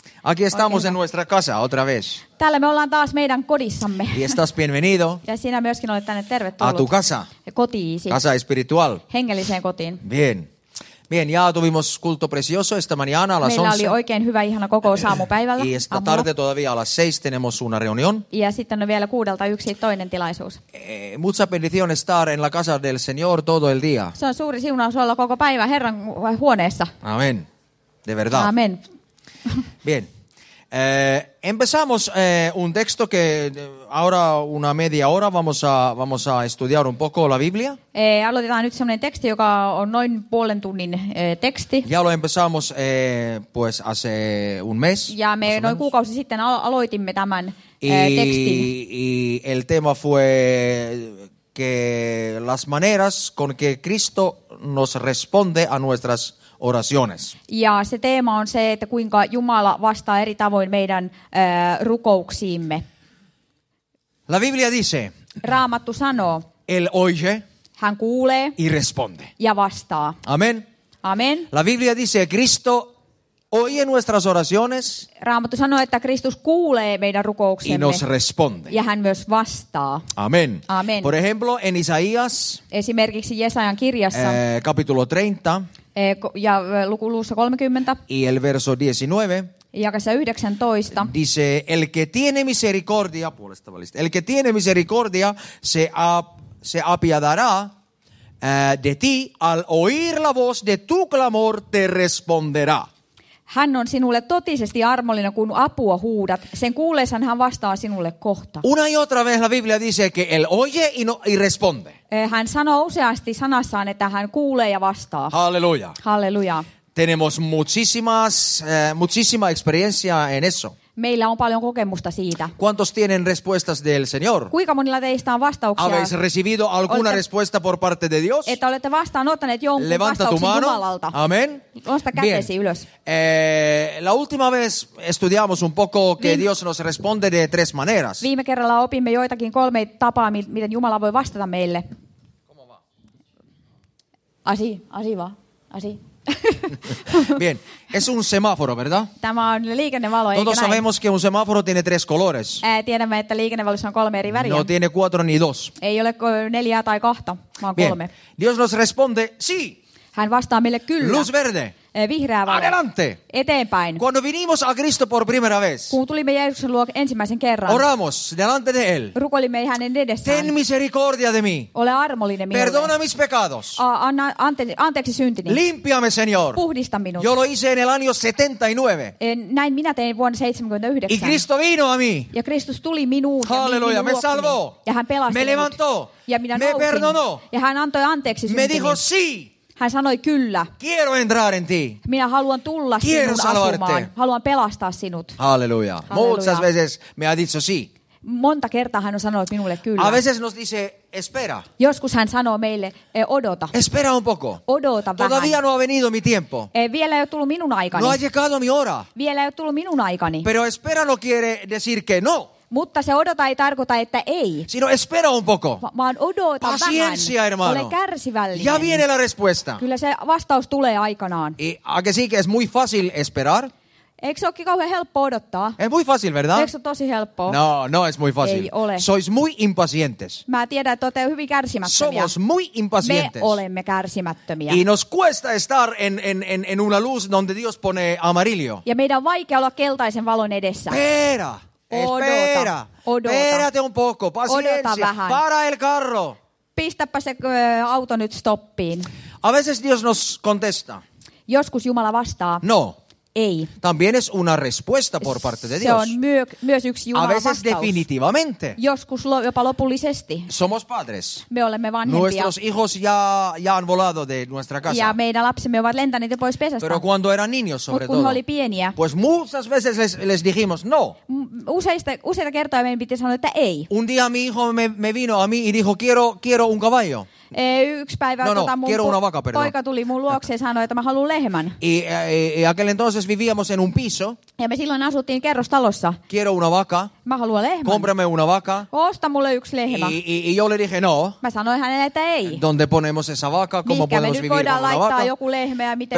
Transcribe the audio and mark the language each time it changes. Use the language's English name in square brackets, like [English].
[Spanish] Aquí estamos en nuestra casa otra vez. [Finnish] Täällä me ollaan taas meidän kodissamme. [Spanish] Y estás bienvenido. [Finnish] Ja sinä myöskin olet tänne tervetullut. [Spanish] A tu casa. [Finnish] Kotiisi. [Spanish] Casa espiritual. [Finnish] Hengelliseen kotiin. [Spanish] Bien. Bien, ya tuvimos culto precioso esta mañana a las 11. [Finnish] Meillä oli oikein hyvä ihana kokous aamupäivällä. [Spanish] Y esta tarde todavía a las 6 tenemos una reunión. [Finnish] Ja sitten on vielä 6:00 yksi toinen tilaisuus. [Spanish] Mucha bendición estar en la casa del Señor todo el día. [Finnish] Se on suuri siunaus olla koko päivä Herran huoneessa. [Spanish] Amén. De verdad. Amén. Bien, empezamos un texto que ahora una media hora vamos a estudiar un poco la Biblia. [Finnish] Aloitetaan nyt semmoinen teksti, joka on noin puolen tunnin teksti. Ya lo empezamos pues hace un mes. Ja me noin kuukausi sitten aloitimme tämän tekstin. [Spanish] Y el tema fue que las maneras con que Cristo nos responde a nuestras oraciones. [Finnish] Ja se teema on se, että kuinka Jumala vastaa eri tavoin meidän rukouksiimme. [Spanish] La Biblia dice. [Finnish] Raamattu sanoo. [Spanish] Él oye. [Finnish] Hän kuulee. [Spanish] Y responde. [Finnish] Ja vastaa. Amén. Amén. [Spanish] La Biblia dice, Cristo oye nuestras oraciones. [Finnish] Raamattu sanoo, että Kristus kuulee meidän rukouksemme. [Spanish] Y nos responde. [Finnish] Ja hän myös vastaa. Amén. Amén. [Spanish] Por ejemplo, en Isaías. [Finnish] Esimerkiksi Jesajan kirjassa. [Spanish] Capítulo 30. [Finnish] Ja luvussa 30. [Spanish] Y el verso 19. [Finnish] Jakessa 19. [Spanish] Dice, el que tiene misericordia, puolestavallista, el que tiene misericordia se apiadará de ti, al oír la voz de tu clamor te responderá. [Finnish] Hän on sinulle totisesti armollinen, kun apua huudat. Sen kuullessaan hän vastaa sinulle kohta. [Spanish] Una y otra vez la Biblia dice que él oye y, no, y responde. [Finnish] Hän sanoo useasti sanassaan, että hän kuulee ja vastaa. Halleluja. Halleluja. [Spanish] Tenemos muchísima experiencia en eso. [Finnish] Meillä on paljon kokemusta siitä. [Spanish] ¿Cuántos tienen respuestas del Señor? [Finnish] Kuinka monilla teistä on vastauksia? [Spanish] ¿Habéis recibido alguna respuesta por parte de Dios? [Finnish] Että olette vastaanottaneet jonkun vastauksen Jumalalta. Amén. Nosta kätesi ylös. [Spanish] La última vez estudiamos un poco que Dios nos responde de tres maneras. [Finnish] Viime kerralla opimme joitakin kolme tapaa, miten Jumala voi vastata meille. [Spanish] ¿Cómo va? Así va. Así. Bien, es un semáforo, ¿verdad? [Finnish] Tämä on liikennevalo, [Spanish] todos sabemos [Finnish] näin? [Spanish] Que un semáforo tiene tres colores. [Finnish] Tiedämme, että liikennevalossa on kolme eri väriä. [Spanish] No tiene cuatro ni dos. [Finnish] Ei ole neljää tai kahta, vaan [Spanish] bien. [Finnish] Kolme. [Spanish] Dios nos responde, sí. [Finnish] Hän vastaa meille kyllä. [Spanish] Luz verde. [Finnish] Vihreä valo. [Spanish] Adelante. [Finnish] Eteenpäin. [Spanish] Cuando vinimos a Cristo por primera vez. [Finnish] Kun tulimme Jeesuksen luo ensimmäisen kerran. [Spanish] Oramos delante de él. [Finnish] Rukoilimme hänen edessään. [Spanish] Ten misericordia de mí. [Finnish] Ole armollinen minulle. [Spanish] Perdona mis pecados. [Finnish] Anna anteeksi syntini. [Spanish] Límpiame, Señor. [Finnish] Puhdista minut. [Spanish] Yo lo hice en el año 79. [Finnish] Näin minä tein vuonna 79. [Spanish] Y Cristo vino a mí. [Finnish] Ja Kristus tuli minuun. [Spanish] Halleluja, me salvó. [Finnish] Ja hän pelasti [Spanish] minut. Me levantó. [Finnish] Ja minä [Spanish] nousin. Me perdonó. [Finnish] Ja hän antoi anteeksi syntini. [Spanish] Me dijo sí. [Finnish] Hän sanoi kyllä. [Spanish] Quiero entrar en ti. [Finnish] Minä haluan tulla [Spanish] Quiero [Finnish] sinun [Spanish] salvarte. [Finnish] Asumaan. Haluan pelastaa sinut. Halleluja. [Spanish] Muchas veces me ha dicho sí. [Finnish] Monta kertaa hän on sanonut minulle kyllä. [Spanish] A veces nos dice espera. [Finnish] Joskus hän sanoo meille odota. [Spanish] Espera un poco. [Finnish] Odota vähän. [Spanish] Todavía no ha venido mi tiempo. [Finnish] Vielä ei ole tullut minun aikani. [Spanish] No ha llegado mi hora. [Finnish] Vielä ei ole tullut minun aikani. [Spanish] Pero espera no quiere decir que no. [Finnish] Mutta se odota ei tarkoita, että ei. [Spanish] Sino espera un poco. [Finnish] Vaan odota [Spanish] Paciencia, [Finnish] vähän. [Spanish] Hermano. [Finnish] Ole kärsivällinen. [Spanish] Ya viene la respuesta. [Finnish] Kyllä se vastaus tulee aikanaan. [Spanish] Y, a que sí, que es muy fácil esperar. [Finnish] Eikö se olekin kauhean helppo odottaa? [Spanish] Es muy fácil, ¿verdad? [Finnish] Eikö se ole tosi helppoa? [Spanish] No, no es muy fácil. [Finnish] Ei ole. [Spanish] Sois muy impacientes. [Finnish] Mä tiedän, että olette hyvin kärsimättömiä. [Spanish] Somos muy impacientes. [Finnish] Me olemme kärsimättömiä. [Spanish] Y nos cuesta estar en una luz donde Dios pone amarillo. [Finnish] Ja meidän on vaikea olla keltaisen valon edessä. [Spanish] Espera. Espera. [Finnish] Odota. [Spanish] Espérate un poco. [Finnish] Odota vähän. [Spanish] Para el carro. [Finnish] Pistäpä se auto nyt stoppiin. [Spanish] A veces Dios nos contesta. [Finnish] Joskus Jumala vastaa. [Spanish] No. [Finnish] Ei. [Spanish] También es una respuesta por parte de Dios. [Finnish] Se on myös yksi Jumalan vastaus. [Spanish] A veces definitivamente. [Finnish] Joskus jopa lopullisesti. [Spanish] Somos padres. [Finnish] Me olemme vanhempia. [Spanish] Nuestros hijos ya han volado de nuestra casa. [Finnish] Ja meidän lapsemme ovat lentäneet pois pesästä. [Spanish] Pero cuando eran niños sobre [Finnish] todo. Mut kun oli pieniä. [Spanish] Pues muchas veces les dijimos no. [Finnish] Useita kertoja meidän piti sanoa, että ei. [Spanish] Un día mi hijo me vino a mí y dijo quiero un caballo. [Finnish] Yksi päivä poika tuli mun luokse ja sanoi, että mä haluan lehmän. [Spanish] Y aquel entonces vivíamos en un piso. [Finnish] Ja me silloin asuttiin kerrostalossa. [Spanish] Quiero una vaca. [Finnish] Mä haluan lehmän. [Spanish] Cómprame una vaca. [Finnish] Osta mulle yksi lehmä. [Spanish] Y yo le dije no. [Finnish] Mä sanoin hänelle, että ei. [Spanish] ¿Dónde ponemos esa vaca? ¿Cómo [Finnish] mihinkä [Spanish] podemos vivir con una vaca? [Finnish] Mihinkä me nyt voidaan laittaa joku lehmä ja miten